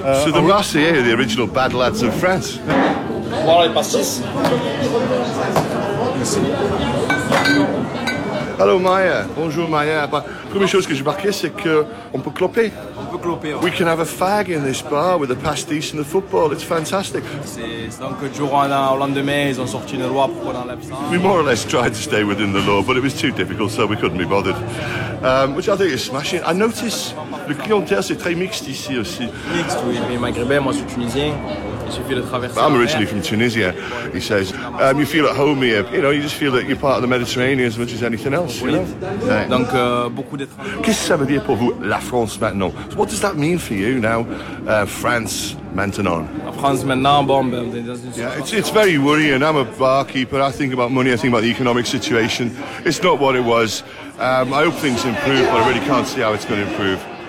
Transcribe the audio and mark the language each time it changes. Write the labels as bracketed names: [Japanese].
[English] So the Marseillais, the original bad lads of France. Hello, Maya. [French] Bonjour, Maya. [English] But [French] première chose que j'ai remarqué, c'est que on peut cloper. On peut cloper. [English] We can have a fag in this bar with the pastis and the football. It's fantastic. [French] C'est donc du lendemain, au lendemain, ils ont sorti une loi pour qu'on enlève ça. [English] We more or less tried to stay within the law, but it was too difficult, so we couldn't be bothered. Which I think is smashing. I notice [French] le clientèle c'est très mixte ici aussi. Mixte, oui. Mais maghrébin, moi, je suis tunisien. [English] I'm originally from Tunisia, he says. You feel at home here, you know, you just feel that you're part of the Mediterranean as much as anything else, you know? [French] Qu'est-ce que ça veut dire pour vous, la France maintenant? [English] So what does that mean for you now, [French] France maintenant? La France maintenant, bon, [English] It's very worrying. I'm a barkeeper, I think about money, I think about the economic situation. It's not what it was. I hope things improve, but I really can't see how it's going to improve.